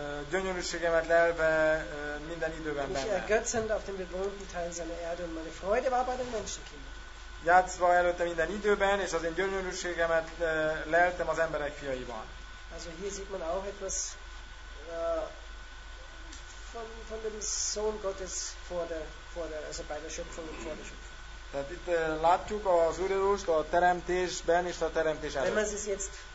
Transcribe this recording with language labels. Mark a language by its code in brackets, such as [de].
[hu] Gyönyörűségemet lelve minden időben benne. [de] Ich ergötzend auf dem bewohnten Teil seiner Erde und meine Freude war bei den Menschenkindern. [hu] Játszva előtte minden időben, és az én gyönyörűségemet leltem az emberek fiaiban. [de] Also hier sieht man auch etwas von dem Sohn Gottes vor der also bei der Schöpfung und vor der Schöpfung. [hu] Tehát itt látjuk az Úr Jézust a teremtésben és a teremtés előtt.